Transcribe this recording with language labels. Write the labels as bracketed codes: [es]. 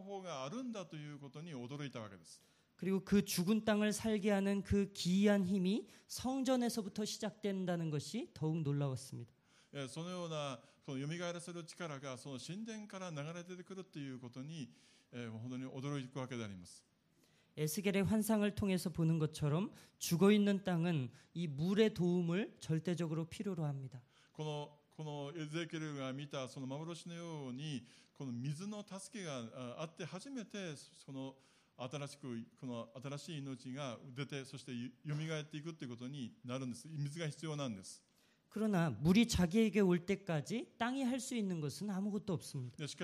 [ko] 완전히 [ja] 腐ってしまった、完全に腐ってしまったその土地が蘇らさせるっていうそういう方法があるんだということに驚いたわけです。 [ko] 그리고 그 죽은 땅을 살게 하는 그 기이한 힘이 성전에서부터 시작된다는 것이 더욱 놀라웠습니다. [ja] そのような蘇らせる力がその神殿から流れ出てくるっていうことに本当に驚くわけであります。 [ko] 에스겔의 환상을 통해서 보는 것처럼 죽어 있는 땅은 이 물의 도움을 절대적으로 필요로 합니다. [ja] 에스겔이 見た幻のように水の助けがあって初めて新しい命が出てそして蘇っていくということになるんです。水が必要なんです。 [ko] 그러나 물이 자기에게 올 때까지 땅이 할 수 있는 것은 아무것도 없습니다.